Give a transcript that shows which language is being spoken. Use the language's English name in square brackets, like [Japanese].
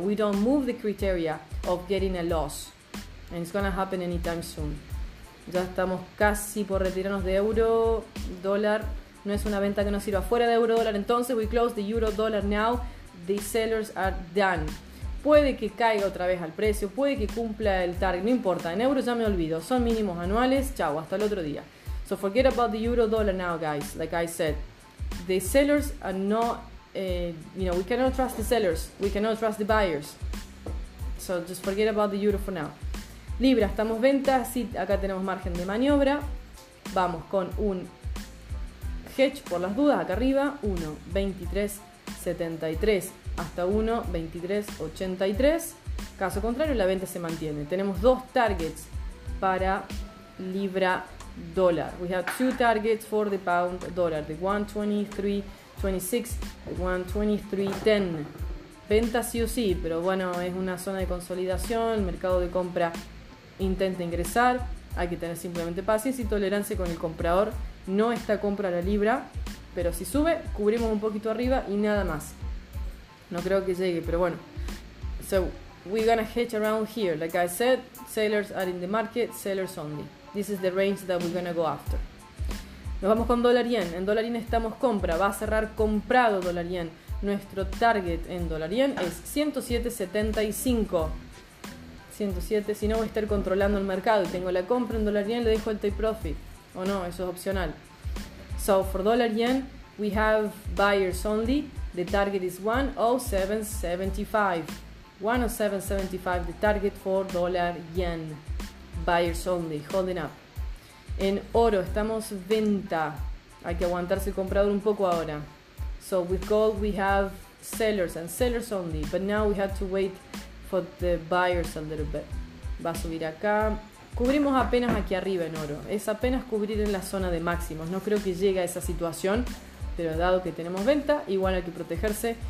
[English] We don't move the criteria of getting a loss. And it's gonna happen anytime soon. [Spanish] Ya estamos casi por retirarnos de euro dólar. No es una venta que nos sirva fuera de euro dólar. Entonces, [English] we close the euro dólar now. The sellers are done. [Spanish] Puede que caiga otra vez al precio. Puede que cumpla el target. No importa. En euros ya me olvido. Son mínimos anuales. Chao. Hasta el otro día. [English] So forget about the euro dólar now, guys. Like I said, the sellers are not. You know, we cannot trust the sellers. We cannot trust the buyers. So just forget about the euro for now. [Spanish] Libra, estamos ventas, sí, acá tenemos margen de maniobra. Vamos con un hedge por las dudas, acá arriba, 1.2373 hasta 1.2383. Caso contrario, la venta se mantiene. Tenemos dos targets para libra dólar. [English] We have two targets for the pound dollar, the 1.2326, the 1.2310. [Spanish] Venta sí o sí, pero bueno, es una zona de consolidación, el mercado de compra intenta ingresar, hay que tener simplemente paciencia y tolerancia con el comprador. No está compra la libra, pero si sube, cubrimos un poquito arriba y nada más. No creo que llegue, pero bueno. [English] So, we're gonna hedge around here. Like I said, sellers are in the market, sellers only. This is the range that we're gonna go after. [Spanish] Nos vamos con dólar yen. En dólar yen estamos compra, va a cerrar comprado dólar yen. Nuestro target en dólar yen es 107.75. 107, si no voy a estar controlando el mercado y tengo la compra en dólar yen, le dejo el take profit o no, eso es opcional. [English] So for dólar yen, We have buyers only. The target is 107.75. 107.75, the target for dólar yen. Buyers only, holding up. [Spanish] En oro estamos venta. Hay que aguantarse el comprador un poco ahora. [English] So with gold we have sellers and sellers only. But now we have to wait for the buyers a little bit. [Spanish] Va a subir acá. Cubrimos apenas aquí arriba en oro. Es apenas cubrir en la zona de máximos. No creo que llegue a esa situación. Pero dado que tenemos venta, igual hay que protegerse.